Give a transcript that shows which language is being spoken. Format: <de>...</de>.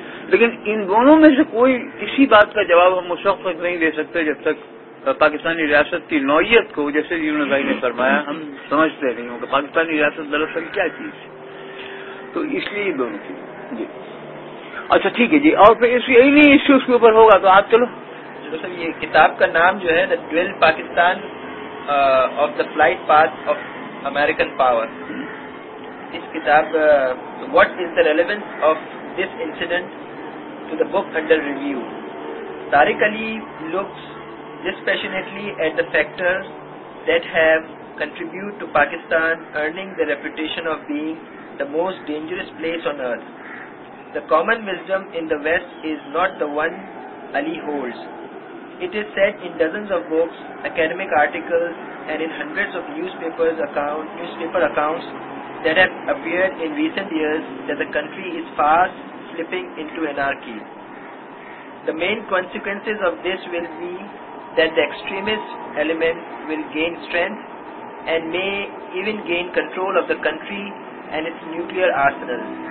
<ur>لیکن ان دونوں میں سے کوئی کسی بات کا جواب ہم اس وقت نہیں دے سکتے جب تک پاکستانی ریاست کی نوعیت کو, جیسے جیون بھائی نے فرمایا, ہم سمجھتے نہیں ہوں کہ پاکستانی ریاست دراصل کیا چیز ہے. تو اس لیے دونوں چیزیں جی. اچھا ٹھیک ہے جی, اور پھر اس یہی نہیں ایشو اس کے اوپر ہوگا تو آپ چلو. دراصل یہ کتاب کا نام جو ہے</ur> <en>Twelfth Pakistan of the flight path of American power, اس کتاب what is the relevance of this incident to the book under review. Tariq Ali looks dispassionately at the factors that have contribute to Pakistan earning the reputation of being the most dangerous place on earth. The common wisdom in the West is not the one Ali holds. It is said in dozens of books, academic articles, and in hundreds of newspaper accounts that have appeared in recent years that the country is fast slipping into anarchy. The main consequences of this will be that the extremist element will gain strength and may even gain control of the country and its nuclear arsenal.</en>